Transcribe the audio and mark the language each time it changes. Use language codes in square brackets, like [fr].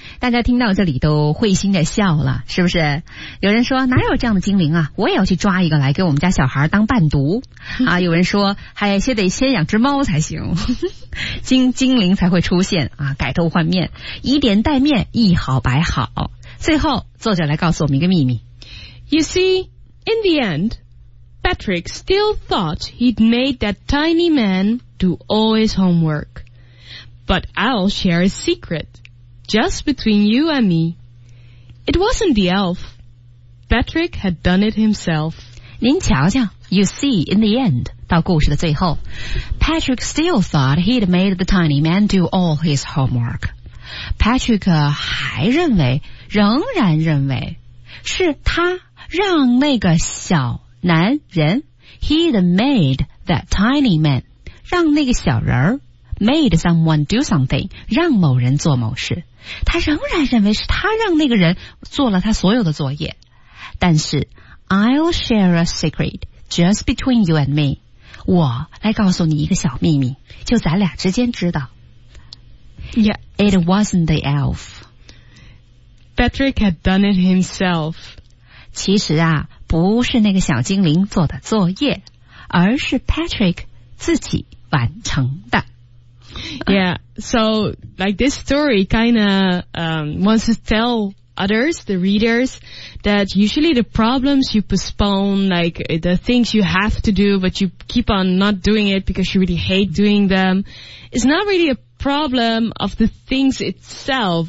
[zh] 大家听到这里都会心的笑了，是不是？有人说，哪有这样的精灵啊？我也要去抓一个来给我们家小孩当伴读。啊，有人说，还先得先养只猫才行。精灵才会出现啊，改头换面，以点带面，一好百好。最后，作者来告诉我们一个秘密。 [en] You see, in the end, Patrick still thought he'd made that tiny man do all his homework. But I'll share a secret. Just between you and me. It wasn't the elf. Patrick had done it himself. [zh] 您瞧瞧 [en] ,you see in the end, [zh] 到故事的最后 [en] ,Patrick still thought he'd made the tiny man do all his homework. [zh] Patrick 还认为仍然认为是他让那个小男人 , [en] he'd made that tiny man, [zh] 让那个小人 [en] made someone do something, [zh] 让某人做某事。他仍然认为是他让那个人做了他所有的作业。但是 [en] I'll share a secret just between you and me. [zh] 我来告诉你一个小秘密就咱俩之间知道。 [en] Yeah. It wasn't the elf. Patrick had done it himself. [zh] 其实啊，不是那个小精灵做的作业，而是 Patrick 自己完成的。 [en] Yeah, so like this story kind of wants to tell others, the readers, that usually the problems you postpone, like the things you have to do but you keep on not doing it because you really hate doing them, is not really a problem of the things itself.